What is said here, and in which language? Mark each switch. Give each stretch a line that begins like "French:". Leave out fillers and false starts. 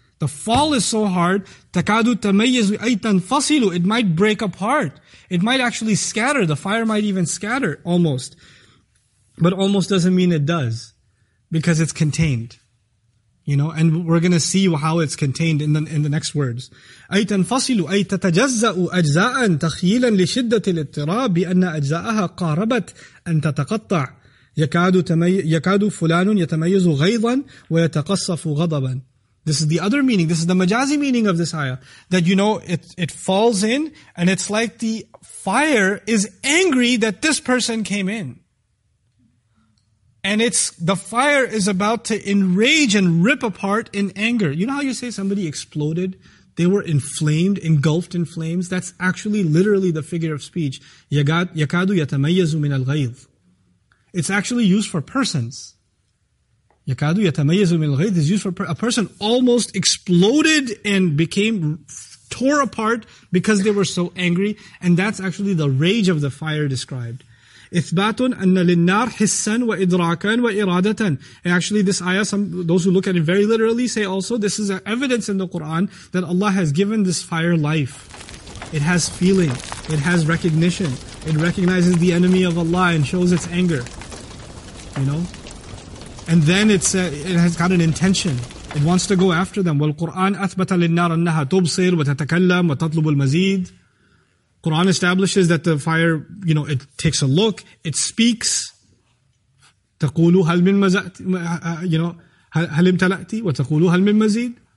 English: The fall is so hard,
Arabic: تَكَادُ تَمَيَّزُ أَيْ تَنْفَصِلُ.
English: It might break apart. It might actually scatter. The fire might even scatter almost. But almost doesn't mean it does, because it's contained. You know, and we're going to see how it's contained in the next words.
Arabic: أي تنفصل أي تتجزأ أجزاء تخيلا لشدة الاضطراب بأن أجزاءها قاربت أن تتقطع يكاد فلان يتميز غيظا ويتقصف غضبا.
English: This is the other meaning. This is the majazi meaning of this ayah. That, you know, it falls in and it's like the fire is angry that this person came in. And it's the fire is about to enrage and rip apart in anger. You know how you say somebody exploded? They were inflamed, engulfed in flames? That's actually literally the figure of speech.
Arabic: يَكَادُ يَتَمَيَّزُ مِنَ الْغَيْظِ.
English: It's actually used for persons.
Arabic: يَكَادُ يَتَمَيَّزُ مِنَ الْغَيْظِ
English: is used for a person almost exploded and became tore apart because they were so angry. And that's actually the rage of the fire described.
Arabic: إثبات أن للنار حسا وإدراكا وإرادة.
English: And actually this ayah, some those who look at it very literally say also, this is evidence in the Quran that Allah has given this fire life. It has feeling, it has recognition, it recognizes the enemy of Allah and shows its anger. You know? And then it has got an intention. It wants to go after them.
Arabic: والقرآن أثبت للنار أنها تبصر وتتكلم وتطلب المزيد.
English: Quran establishes that the fire, you know, it takes a look, it speaks.
Arabic: تقولوا هل من مزأت, you know, هل امتلأتي وتقولوا هل من مزيد.